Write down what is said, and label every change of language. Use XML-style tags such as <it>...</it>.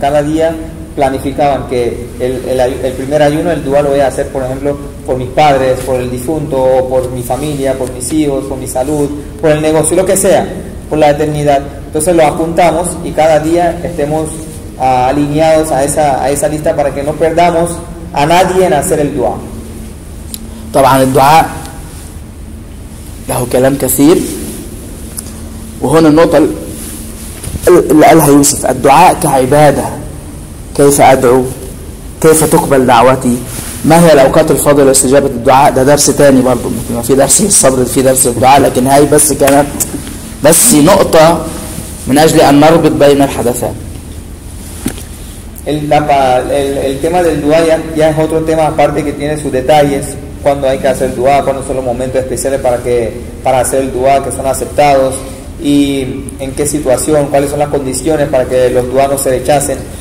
<es>Cada día planificaban que el primer ayuno, el dua lo voy a hacer, por ejemplo, por mis padres, por el difunto, por mi familia, por mis hijos, por mi salud, por el negocio, lo que sea, por la eternidad. Entonces lo apuntamos y cada día estemos alineados a esa lista para que no perdamos a nadie en hacer el dua.</es> <ar>طبعا الدعاء له كلام كثير، وهنا النقطة اللي قالها يوسف. الدعاء كعبادة، كيف أدعو، كيف تقبل دعوتي، ما هي الأوقات الفاضلة لاستجابة الدعاء. ده درس تاني برضو، ما في درس الصبر في درس الدعاء، لكن هاي بس كانت بس نقطة من أجل أن نربط بين الحدثين.</ar> <es>El tema del dua ya es otro tema aparte que tiene sus detalles. Cuando hay que hacer el dua, cuando son los momentos especiales para hacer el dua, que son aceptados y en qué situación, cuáles son las condiciones para que los dua no se rechacen.</es>